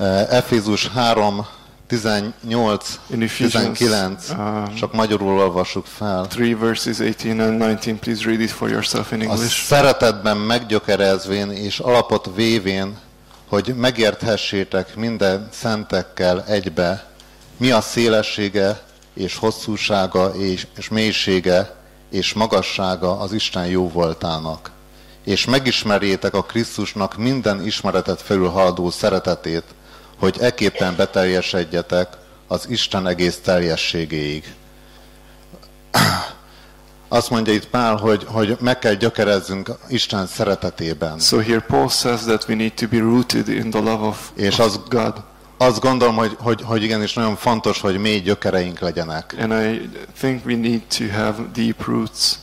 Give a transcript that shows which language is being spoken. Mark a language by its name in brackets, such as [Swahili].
[Hungarian] Efézus 3, 18-19, csak magyarul olvassuk fel. [English] 3 verses 18 and 19, please read it for yourself in English. [Hungarian] A szeretetben meggyökerezvén és alapot vévén, hogy megérthessétek minden szentekkel egybe, mi a szélessége és hosszúsága és mélysége és magassága az Isten jóvoltának. És megismerjétek a Krisztusnak minden ismeretet felülhaladó szeretetét, hogy eképpen beteljesedjetek az Isten egész teljességéig. Azt mondja itt Pál, hogy meg kell gyökerezzünk Isten szeretetében. [English] So here Paul says that we need to be rooted in the love of God. [Hungarian] Azt gondolom, hogy igenis nagyon fontos, hogy mély gyökereink legyenek. [English] And I think we need to have deep roots.